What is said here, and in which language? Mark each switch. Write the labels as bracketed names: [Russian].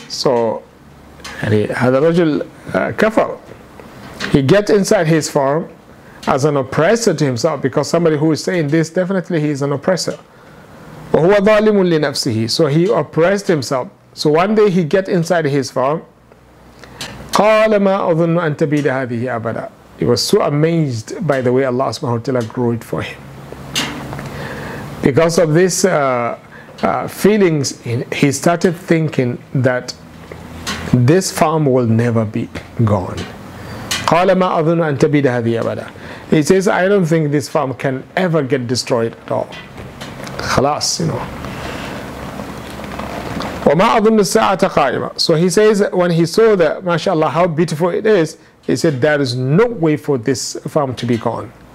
[Arabic] So هذا الرجل كفر. [English] He gets inside his farm as an oppressor to himself, because somebody who is saying this, definitely he is an oppressor. [Arabic] وَهُوَ ظَالِمٌ لِنَفْسِهِ. [English] So he oppressed himself. So one day he gets inside his farm. [Arabic] قَالَ مَا أَظُنُّ أَن تَبِيدَ هَذِهِ أَبَدًا. [English] He was so amazed by the way Allah subhanahu wa ta'ala grew it for him. Because of this feelings, he started thinking that this farm will never be gone. [Arabic] قَالَ مَا أَظُنُّ أَن تَبِيدَ هَذِي أَبَدًا. [English] He says, I don't think this farm can ever get destroyed at all. خلاص, you know. [Arabic] وَمَا أَظُنُّ السَّاعَةَ قَائِمًا. [English] So he says, when he saw that, mashallah, how beautiful it is, he said, there is no way for this farm to be gone.